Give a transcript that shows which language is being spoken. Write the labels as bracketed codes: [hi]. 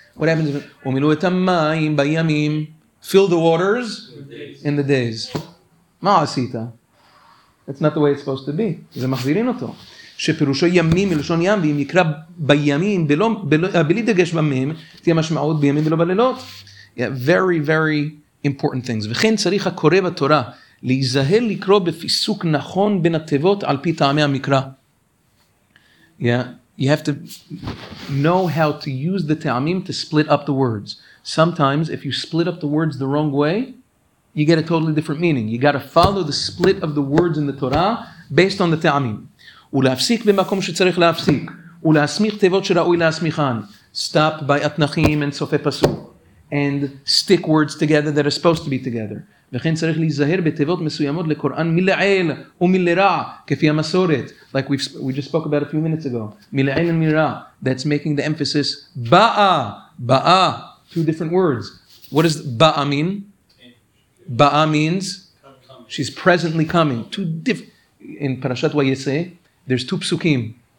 [en] What happens if [he] ומילאו את המים בימים, [en] fill the waters in the days. [he] מה עשית? [en] That's not the way it's supposed to be. [he] זה מחזירין אותו. שפירושו ימים מלשון ים, ואם יקרא בימים, בלי דגש במים, תהיה משמעות בימים ולא בלילות. [en] Yeah, very, very important things. [he] וכן צריך הקורא בתורה להיזהר לקרוא בפיסוק נכון בין התיבות על פי טעמי המקרא. [en] Yeah, you have to know how to use the טעמים to split up the words. Sometimes, if you split up the words the wrong way, you get a totally different meaning. You got to follow the split of the words in the Torah based on the טעמים. [he] ולהפסיק במקום שצריך להפסיק, ולהסמיך תיבות שראוי להסמיכן. [en] Stop by אתנחים and סופי פסוק. And stick words together that are supposed to be together. [he] וכן צריך להיזהר בתיבות מסוימות לקוראן מלעיל ומלרע, כפי המסורת. [en] Like we just spoke about a few minutes ago. מלעיל ומלרע. That's making the emphasis באה, באה. Two different words. What does באה mean? באה means? She's presently coming. In פרשת ויצא, there's two psukim.